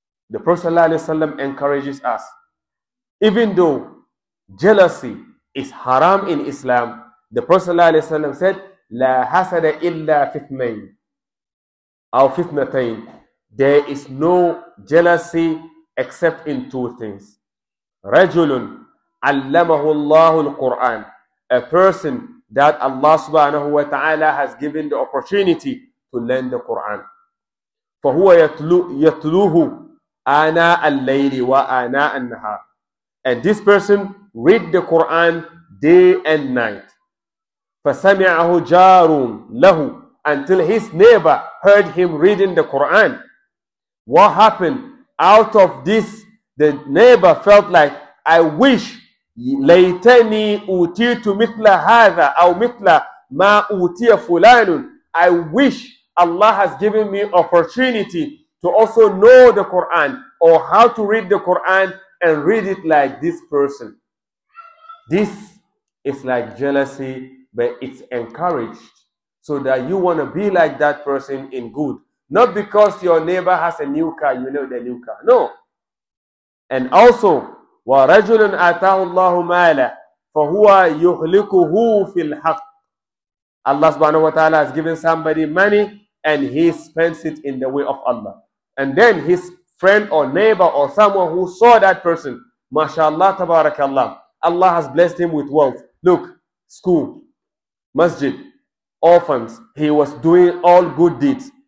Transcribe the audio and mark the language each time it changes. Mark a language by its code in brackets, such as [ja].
[en] The Prophet sallallahu alayhi wa sallam encourages us. Even though jealousy is haram in Islam, the Prophet sallallahu alayhi wa sallam said, [ar] لا حسد إلا فثنين أو فثنتين. [en] There is no jealousy except in two things. [ar] رجل علمه الله القرآن. [en] A person that Allah subhanahu wa ta'ala has given the opportunity to learn the Quran. [ar] فهو يتلوه آناء الليل وآناء النهار. [en] And this person read the Quran day and night. [ar] فسمعه جار له. [en] Until his neighbor heard him reading the Quran. What happened? Out of this, the neighbor felt like, I wish [ar] ليتني أوتيت مثل هذا أو مثل ما أوتي فلان. [en] I wish Allah has given me opportunity to also know the Quran or how to read the Quran and read it like this person. This is like jealousy, but it's encouraged so that you want to be like that person in good. Not because your neighbor has a new car, you know the new car. No. And also, [ar] ورجل آتاه الله مالا فهو يهلكه في الحق. [en] Allah subhanahu wa ta'ala has given somebody money and he spends it in the way of Allah. And then his friend or neighbor or someone who saw that person, mashallah, tabarakallah, Allah has blessed him with wealth. Look, school, masjid, orphans, he was doing all good deeds.